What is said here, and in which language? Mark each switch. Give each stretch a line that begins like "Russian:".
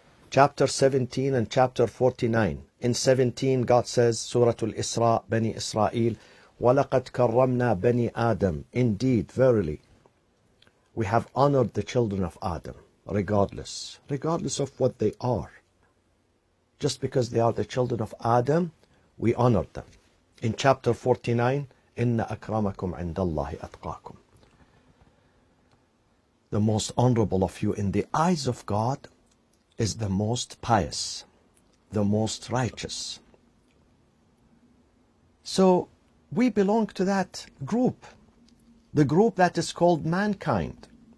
English: Chapter 17 and chapter 49. In 17, God says, Surah Al-Isra, Bani Israel,
Arabic: وَلَقَدْ كَرَّمْنَا بَنِي آدَمْ.
English: Indeed, verily, we have honored the children of Adam, regardless of what they are. Just because they are the children of Adam, we honored them. In chapter 49,
Arabic: إِنَّ أَكْرَمَكُمْ عِنْدَ اللَّهِ أَتْقَاكُمْ.
English: The most honorable of you in the eyes of God is the most pious, the most righteous. So we belong to that group, the group that is called mankind.